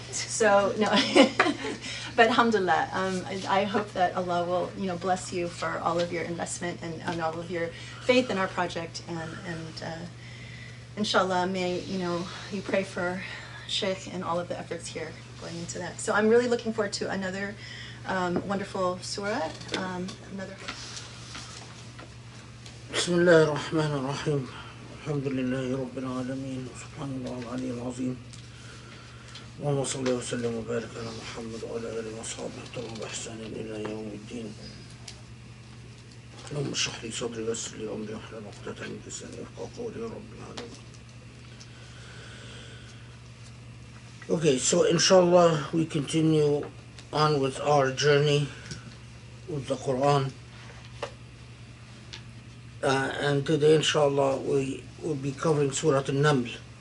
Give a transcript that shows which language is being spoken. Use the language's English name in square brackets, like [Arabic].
[English] So no, but alhamdulillah, I hope that Allah will, you know, bless you for all of your investment and all of your faith in our project. And inshallah, may, you know, you pray for Sheikh and all of the efforts here going into that. So I'm really looking forward to another wonderful surah. Another. [Arabic] بسم الله الرحمن الرحيم الحمد لله رب العالمين سبحان الله العلي العظيم اللهم صل وسلم وبارك على محمد وعلى اله وصحبه وسلم احسن الى يوم الدين اللهم اشرح لي صدري ويسر لي امري واحلل عقدة من لساني يفقهوا قولي يا رب العالمين. [English] Okay, so inshallah we continue on with our journey with the Quran, and today inshallah we will be covering Surah Al-Naml.